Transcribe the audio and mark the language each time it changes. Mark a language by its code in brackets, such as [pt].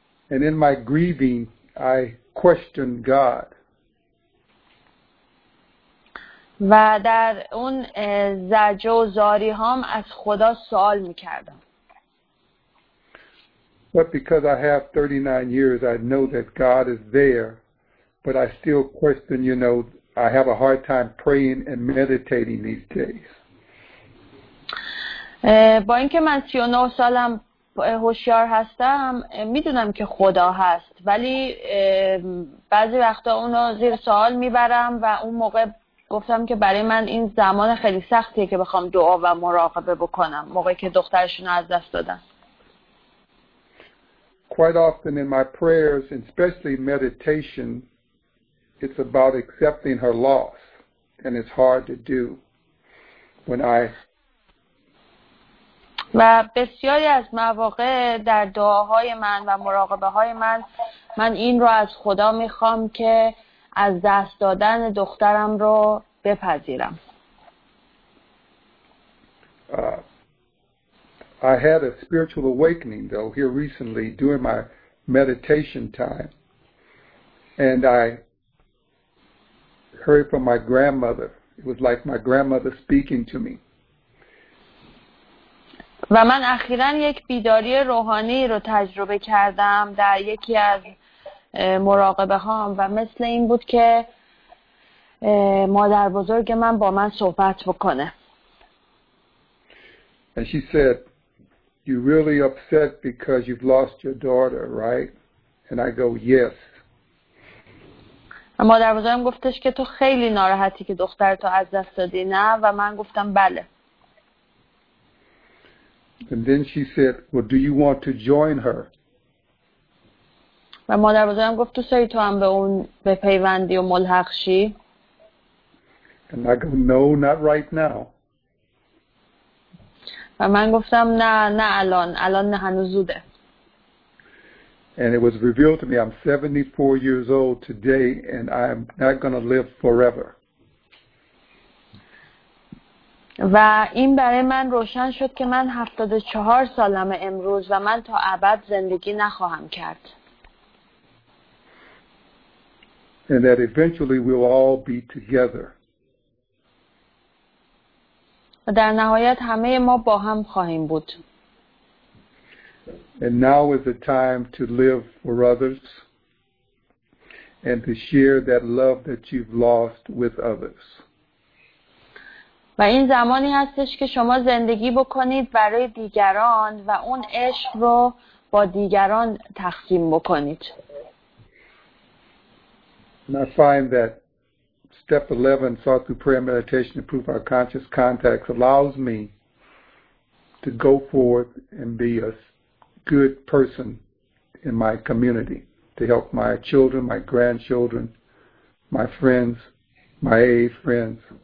[en] And in my grieving, I questioned God. [fa] و در اون زجر و زاری هام از خدا سوال میکردم. [en] But because I have 39 years, I know that God is there, but I still question, you know, I have a hard time praying and meditating these days. [fa] با اینکه من 39 سالم هوشیار هستم، میدونم که خدا هست، ولی بعضی وقتا اونو زیر سوال میبرم و اون موقع گفتم که برای من این زمان خیلی سختیه که بخوام دعا و مراقبه بکنم موقعی که دخترشون رو از دست دادن. [en] quite often in my prayers, especially meditation, it's about accepting her loss, and it's hard to do when I. [fa] و بسیاری از مواقع در دعاهای من و مراقبه های من من این رو از خدا میخوام که از دست دادن دخترم رو بپذیرم. [en] I had a spiritual awakening though here recently during my meditation time, and I heard from my grandmother. It was like my grandmother speaking to me. [fa] و من اخیراً یک بیداری روحانی رو تجربه کردم در یکی از مراقبه هام و مثل این بود که مادر بزرگ من با من صحبت بکنه. [en] And she said, "You're really upset because you've lost your daughter, right?" And I go, "Yes." [fa] مادر بزرگم گفتش که تو خیلی ناراحتی که دخترتو از دست دادی، نه؟ و من گفتم بله. [en] And then she said, "Well, do you want to join her?" [fa] و مادر بزرگم گفت تو سعی تو هم به اون به پیوندی و ملحق شی. [en] And I go, "No, not right now." [fa] و من گفتم نه نه الان الان نه هنوز زوده. [en] And it was revealed to me I'm 74 years old today and I'm not going to live forever. [fa] و این برای من روشن شد که من 74 سالم امروز و من تا ابد زندگی نخواهم کرد. [en] And that eventually we'll all be together. [fa] و در نهایت همه ما با هم خواهیم بود. [en] And now is the time to live for others and to share that love that you've lost with others. [fa] و این زمانی هستش که شما زندگی بکنید برای دیگران و اون عشق رو با دیگران تقسیم بکنید. [en] And I find that step 11, thought through prayer meditation to improve our conscious contacts, allows me to go forth and be a good person in my community to help my children, my grandchildren, my friends, my AA friends.